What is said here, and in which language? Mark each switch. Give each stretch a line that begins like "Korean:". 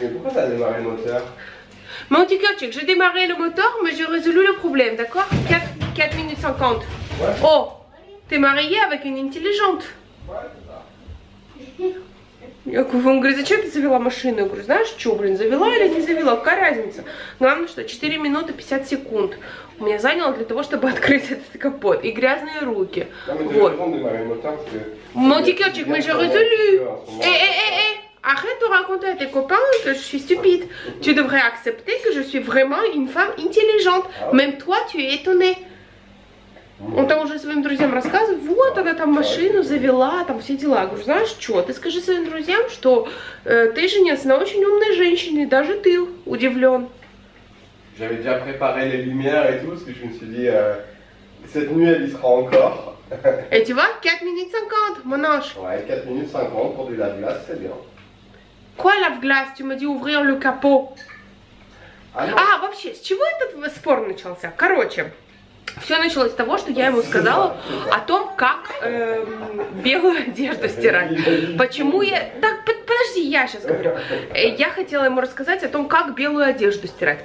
French: Mais pourquoi t'as démarré le moteur? Mon petit coach, j'ai démarré le moteur, mais j'ai résolu le problème, d'accord? 4 minutes 50. Ouais. Oh, t'es marié avec une intelligente. Ouais, c'est ça.
Russian: Он говорит, зачем ты завела машину? Я говорю, знаешь, что, блин, завела или не завела, какая разница? Главное, что 4 минуты 50 секунд. У меня заняло для того, чтобы открыть этот капот. И грязные руки. Вот. Мотикерчик, мы же резолю.
French: Arrête de raconter à tes copains que je suis stupide. Tu devrais accepter que je suis vraiment une femme intelligente. Même toi, tu es étonnée.
Russian: Он там уже своим друзьям рассказывает, вот она там машину завела, там все дела. Я говорю, знаешь что, ты скажи своим друзьям, что ты женец на очень умной женщине, даже ты удивлен.
French: J'avais déjà préparé les lumières et tout, parce que je me suis dit, cette nuit, elle y sera encore. Et tu vois, 4 minutes 50, mon ange. Ouais, 4 minutes 50 pour du lave-glace, c'est bien. Quoi lave-glace? Tu m'as dit ouvrir le capot. Ah,
Russian: вообще, с чего этот спор начался? Короче... Все началось с того, что я ему сказала о том, как белую одежду стирать. Почему я... Так, подожди, я сейчас говорю. Я хотела ему рассказать о том, как белую одежду стирать.